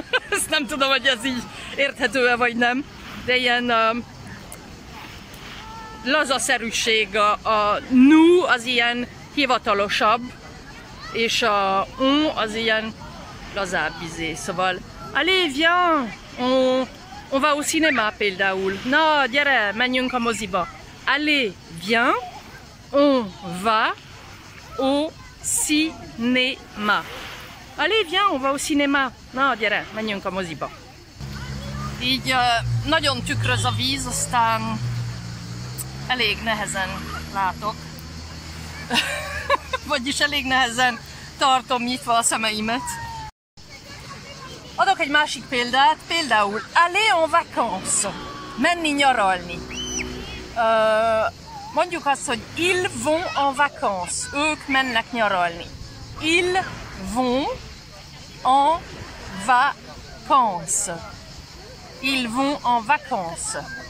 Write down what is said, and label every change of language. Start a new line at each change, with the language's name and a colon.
Hungarian: Ezt nem tudom, hogy ez így érthető-e, vagy nem, de ilyen lazaszerűség. A nous az ilyen hivatalosabb, és a on az ilyen lazább, szóval
French: allez, viens, on va au cinéma,
Hungarian: például. Na, gyere, menjünk a moziba.
French: Allez, viens, on va au cinéma. Allez, viens, on va au cinéma.
Hungarian: Na, gyere, menjünk a moziba. Így nagyon tükröz a víz, aztán elég nehezen látok. Vagyis elég nehezen tartom nyitva a szemeimet. Adok egy másik példát, például
French: aller en vacances,
Hungarian: menni nyaralni. Mondjuk azt, hogy
French: ils vont en vacances,
Hungarian: ők mennek nyaralni.
French: Ils vont en vacances. Ils vont en vacances.